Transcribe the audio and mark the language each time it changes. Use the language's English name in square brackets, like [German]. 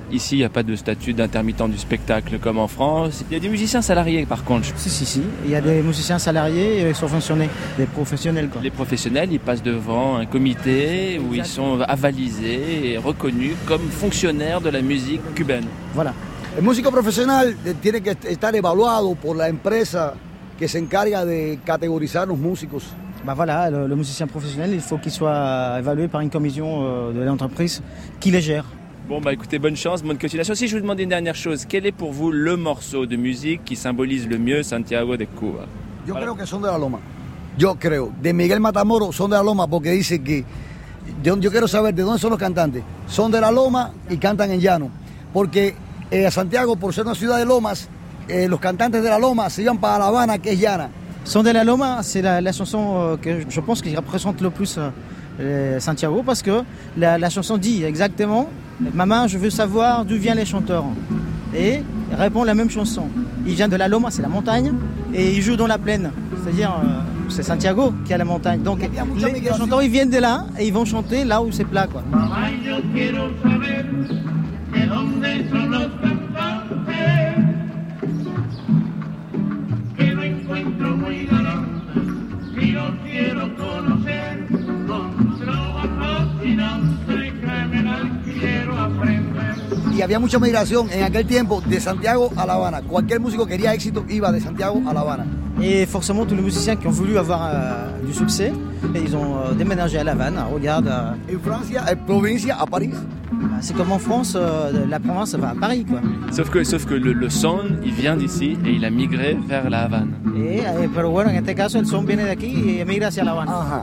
[French] Ici, il n'y a pas de statut d'intermittent du spectacle comme en France. Il y a des musiciens salariés, par contre. [Spanish] Si. [French] Il y a des musiciens salariés et subventionnés, des professionnels, quoi. Les professionnels, ils passent devant un comité où ils sont avalisés et reconnus comme fonctionnaires de la musique cubaine. Voilà. [Spanish] El músico profesional tiene que estar evaluado por la empresa que se encarga de categorizar los músicos. [French] Bah voilà, le musicien professionnel, il faut qu'il soit évalué par une commission de l'entreprise qui les gère. Bon, bah écoutez, bonne chance, bonne continuation. Si je vous demande une dernière chose, quel est pour vous le morceau de musique qui symbolise le mieux Santiago de Cuba? [Spanish] Yo creo que son de la Loma. Yo creo. De Miguel Matamoros, son de la Loma, porque dice que... Yo quiero saber de dónde son los cantantes. Son de la Loma y cantan en llano. Porque a Santiago, por ser una ciudad de Lomas, los cantantes de la Loma se iban para La Habana, que es llana. [French] Son de la Loma, c'est la chanson que je pense qui représente le plus Santiago, parce que la chanson dit exactement « Maman, je veux savoir d'où viennent les chanteurs ». Et il répond la même chanson. Il vient de la Loma, c'est la montagne, et il joue dans la plaine. C'est-à-dire, c'est Santiago qui a la montagne. Donc les chanteurs, ils viennent de là, et ils vont chanter là où c'est plat. Quoi. [Spanish] Y había mucha migración en aquel tiempo de Santiago a La Habana. Cualquier músico que quería éxito iba de Santiago a La Habana. [French] Et forcément tous les musiciens qui ont voulu avoir du succès, ils ont déménagé à La Habana. Regarde. [Spanish] En Francia, en provincia, a París. [French] C'est comme en France, la province va à Paris, quoi. Sauf que le son, il vient d'ici et il a migré vers La Habana. [Spanish] Et pero bueno, en este caso el son viene de aquí y migra hacia La Habana.